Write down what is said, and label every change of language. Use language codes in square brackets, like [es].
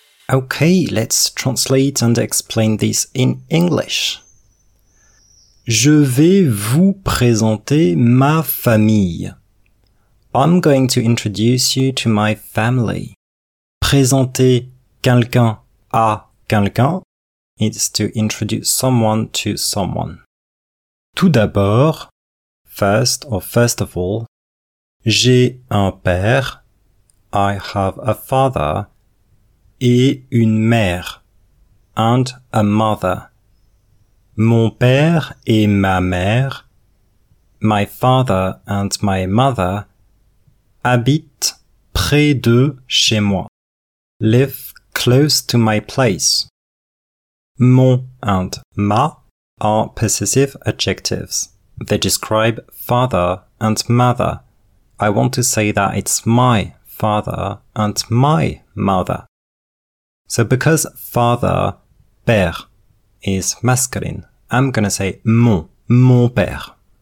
[en] Okay, let's translate and explain this in English. [fr] Je vais vous présenter ma famille. [en] I'm going to introduce you to my family. [fr] Présenter quelqu'un à quelqu'un [en] is to introduce someone to someone. [fr] Tout d'abord, [en] first or first of all, [fr] j'ai un père, [en] I have a father, [fr] et une mère, [en] and a mother. [fr] Mon père et ma mère, [en] my father and my mother, [fr] habitent près de chez moi, [en] live close to my place. Mon and ma are possessive adjectives. They describe father and mother. I want to say that it's my father and my mother. So because father, père, is masculine, I'm gonna say mon père.